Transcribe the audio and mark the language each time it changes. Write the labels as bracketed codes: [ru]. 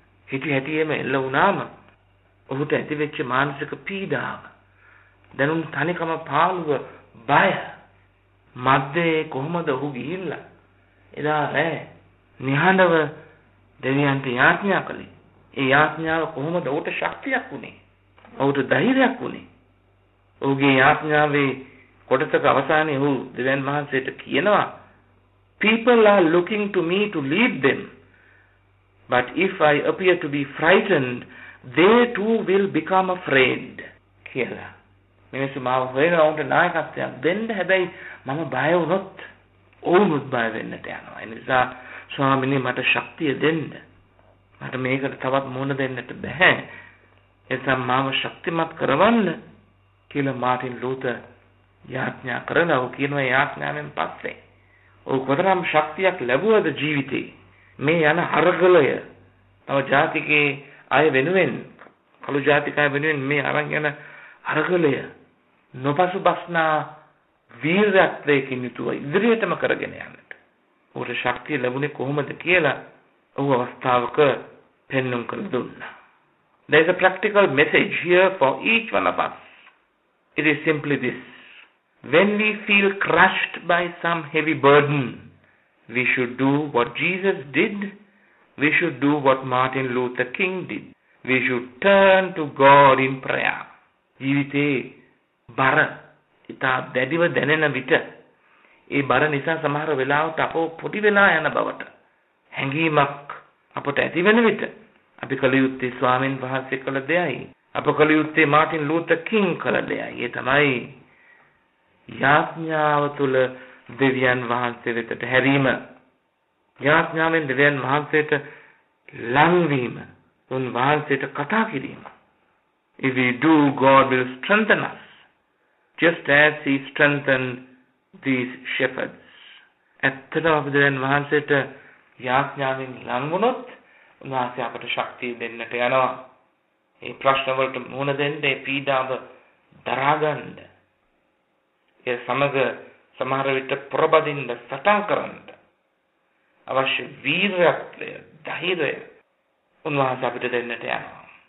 [si] හිටි හැටියේම එල්ල වුණාම ඔහුට ඇතිවෙච්ච මානසික පීඩාව, දැනුම් තනිකම පාළුව, බය, මැදේ කොහමද ඔහු ගිහිල්ලා එදා රෑ නිහඬව දෙවියන්ට යාඥා කළේ? ඒ යාඥාව කොහොමද ඔහුට ශක්තියක් වුණේ, ඔහුට ධෛර්යයක් වුණේ? ඔහුගේ යාඥාවේ කොටසක අවසානයේ ඔහු දෙවියන් වහන්සේට කියනවා, [en] "People are looking to me to lead them. But if I appear to be frightened, they too will become afraid." [si] කියලා. මිනිස්සු මාව හොයනවා ඔහුට නායකත්වයක් දෙන්න. හැබැයි මම බය වුණොත් ඔවුනුත් බය වෙන්නට යනවා. ඒ නිසා ස්වාමීනි මට ශක්තිය දෙන්න. මට මේකට තවත් මුණ දෙන්නට බෑ. එතැන් මාව ශක්තිමත් කරවන්න කියලා මාර්ටින් ලූතර් යාඥා කරනවා. කියනවා යාඥාවෙන් පස්සේ ඔහු කොතරම් ශක්තියක් ලැබුවද ජීවිතේ මේ යන හරගලය තව ජාතිකයේ අය වෙනුවෙන්, කළු ජාතික අය වෙනුවෙන් මේ අරන් යන හරගලය නොපසුබස්නා වීරත්වයකින් යුතුව ඉදිරියටම කරගෙන යන්නට ඔහුට ශක්තිය ලැබුණේ කොහොමද කියලා ඔහු අවස්ථාවක පෙන්නුම් කර දුන්නා. [en] There is a practical message here for each one of us. It is simply this. When we feel crushed by some heavy burden, we should do what Jesus did. We should do what Martin Luther King did. We should turn to God in prayer. [si] ජීවිතේ බර ඉතා දැඩිව දැනෙන විට ඒ බර නිසා සමහර වෙලාවට අපෝ පොඩි වෙලා යන බවට හැඟීමක් අපට ඇති වෙන විට අපි කළ යුත්තේ ස්වාමීන් වහන්සේ කළ දෙයයි, අප කළ යුත්තේ මාර්ටින් ලූතර් කිං කළ දෙයයි. ඒ තමයි යාඥාව තුළ දෙවියන් වහන්සේ වෙතට හැරීම, යාඥාවෙන් දෙවියන් වහන්සේට ලංවීම, උන් වහන්සේට කතා කිරීම. [en] If we do, God will strengthen us, just as He strengthened these shepherds. [si] ඇත්තටම අපි දෙවියන් වහන්සේට යාඥාවෙන් ලංවුනොත් උන්වහන්සේ අපට ශක්තිය දෙන්නට යනවා. ඒ ප්‍රශ්න වලට මුහුණ දෙන්න, ඒ පීඩාව දරාගන්න, ඒ සමග සමහර විට පොරබදින්න, සටන් කරන්න අවශ්‍ය වීරත්වය, ධෛර්යය උන්වහන්සේ අපිට දෙන්නට යනවා.